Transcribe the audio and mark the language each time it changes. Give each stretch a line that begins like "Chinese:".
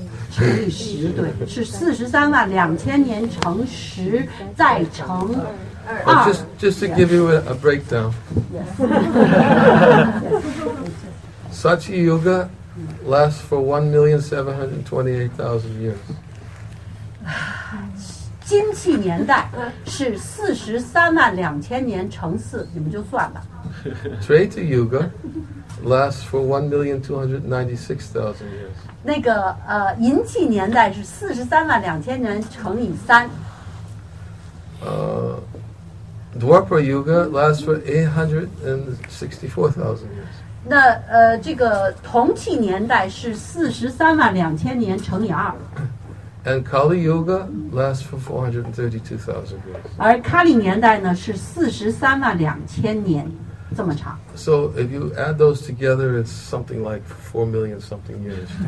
Chinese: 乘以十，对，是43万2000年乘10再乘2。
English: Oh, just to give you a breakdown. Satya Yuga lasts for 1,728,000 years.
Chinese: 金器年代是43万2000年乘4，你们就算吧。
English: Treta Yuga lasts for 1,296,000 years.
Chinese: 那个银器年代是43万2000年乘3。
English: Dwapara Yuga lasts for 864,000 years.
Chinese: 那这个铜器年代是43万2000年乘2。
English: And Kali Yuga lasts for 432,000 years.
Chinese: 而卡利年代呢是43万2000年。这么长。
English: So if you add those together, it's something like 4 million something years.